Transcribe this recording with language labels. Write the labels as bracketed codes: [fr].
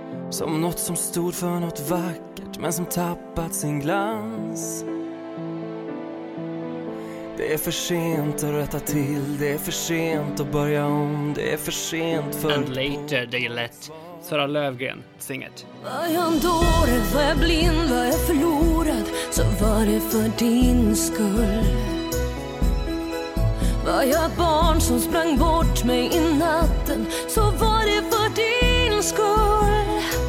[sv] Som något som stod för något vackert men som tappat sin glans. Det är för sent att rätta till, det är för sent att börja om, det är för sent för... [en] And later they let Sara Lövgren sing it. [sv] Var jag en dåre, var jag blind, var jag förlorad, så var det för din skull. Var jag barn som sprang bort mig i natten, så var det för din skull.